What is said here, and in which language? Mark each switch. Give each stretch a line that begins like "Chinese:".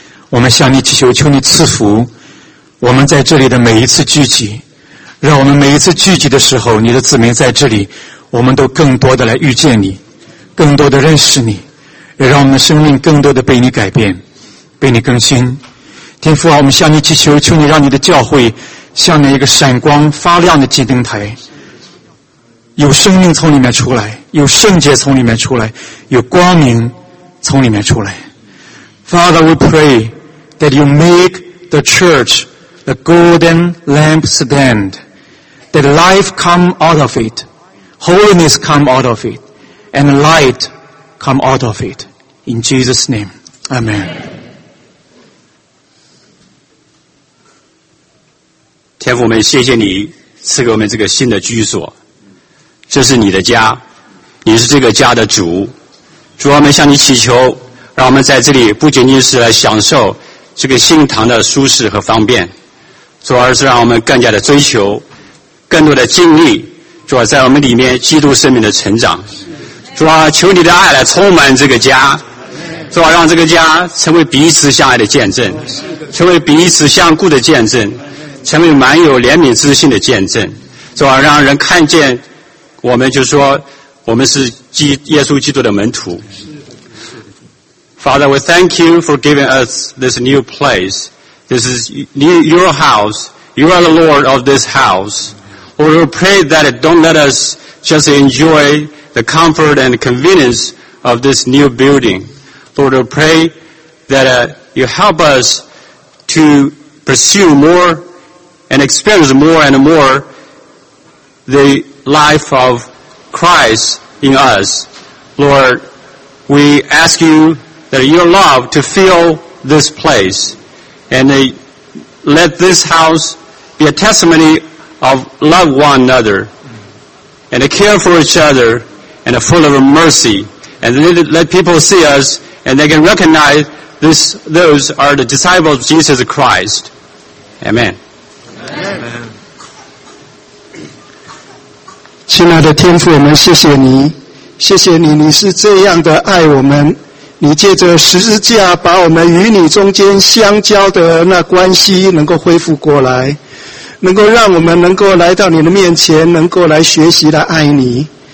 Chinese: 我们向你祈求，求你赐福我们在这里的每一次聚集，让我们每一次聚集的时候，你的子民在这里，我们都更多的来遇见你，更多的认识你，也让我们的生命更多的被你改变，被你更新。天父啊，我们向你祈求，求你让你的教会像那一个闪光发亮的金灯台，有生命从里面出来，有圣洁从里面出来，有光明从里面出来。
English: Father, we pray that you make the church the golden lampstand, that life come out of it, holiness come out of it, and light come out of it. In Jesus' name, Amen.
Chinese: 天父，我们谢谢你赐给我们这个新的居所，这是你的家，你是这个家的主。主，我们向你祈求，让我们在这里不仅仅是来享受这个新堂的舒适和方便，主，而是让我们更加的追求更多的经历，主啊，在我们里面基督生命的成长，主啊，求你的爱来充满这个家，主啊，让这个家成为彼此相爱的见证，成为彼此相顾的见证，成为满有怜悯之心的见证，主啊，让人看见我们，就是说我们是耶稣基督的门徒。
English: Father, we thank you for giving us this new place. This is your house. You are the Lord of this house. Lord, we pray that don't let us just enjoy the comfort and convenience of this new building. Lord, we pray that you help us to pursue more and experience more and more the life of Christ in us. Lord, we ask you that your love to fill this place, and let this house be a testimony of love one another, and care for each other, and full of mercy, and let people see us, and they can recognize those are the disciples of Jesus Christ. Amen.
Chinese: 亲爱的天父，我们谢谢你，谢谢你，你是这样的爱我们，你借着十字架把我们与你中间相交的那关系能够恢复过来，能够让我们能够来到你的面前，能够来学习来爱你。